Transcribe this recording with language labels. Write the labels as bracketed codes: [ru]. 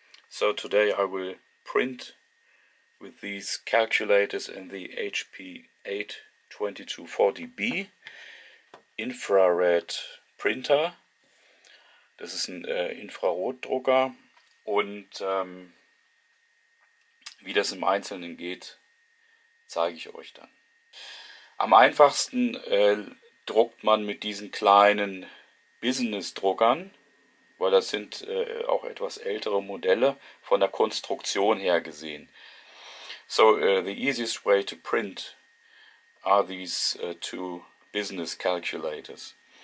[en] So today I will print with these calculators in the HP 8 2240B Infrared Printer. [de] Das ist ein Infrarotdrucker und wie das im Einzelnen geht, zeige ich euch dann. Am einfachsten druckt man mit diesen kleinen Business-Druckern, weil das sind auch etwas ältere Modelle von der Konstruktion her gesehen. [en] So, the easiest way to print are these two Business Calculators.